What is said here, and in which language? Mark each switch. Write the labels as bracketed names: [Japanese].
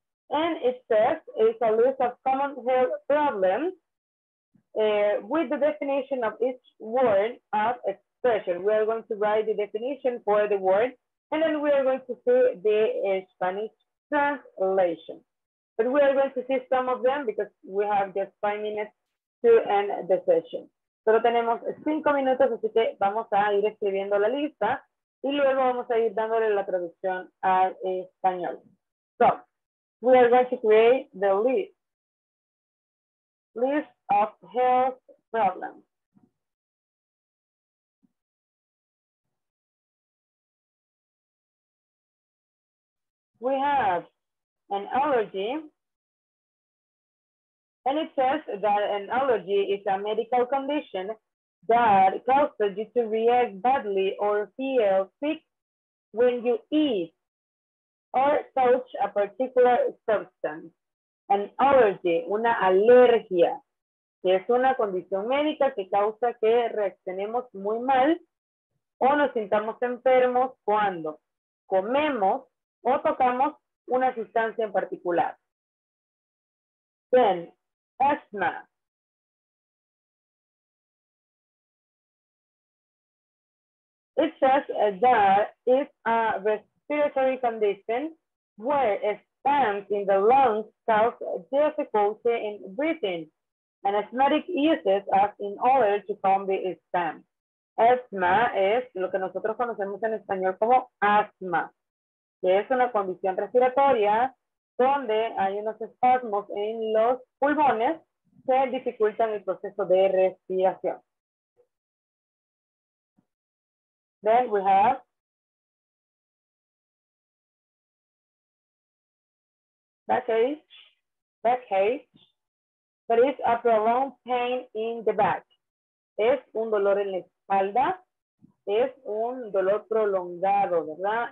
[English] And it says it's a list of common health problems with the definition of each word of expression. We are going to write the definition for the word, and then we are going to see the Spanish translation. But we are going to see some of them because we have just 5 minutes to end the session. [Spanish] Solo tenemos 5 minutos, así que vamos a ir escribiendo la lista y luego vamos a ir dándole la traducción al español. [English] So, we are going to create the list. List of health problems. We have an allergy. And it says that an allergy is a medical condition that causes you to react badly or feel sick when you eat or touch a particular substance. [Spanish] An allergy, una alergia, que es una condición médica que causa que reaccionemos muy mal o nos sintamos enfermos cuando comemos o tocamos una sustancia en particular. [English] Then, asthma. It says that it's a respiratory condition where expands in the lungs cause difficulty in breathing. An asthmatic uses as in order to calm the expand. [Spanish] Asthma es lo que nosotros conocemos en español como asma, que es una condición respiratoria donde hay unos espasmos en los pulmones que dificultan el proceso de respiración. [English] Then we have backache. Backache, that is a prolonged pain in the back. [Spanish] Es un dolor en la espalda, es un dolor prolongado, ¿verdad?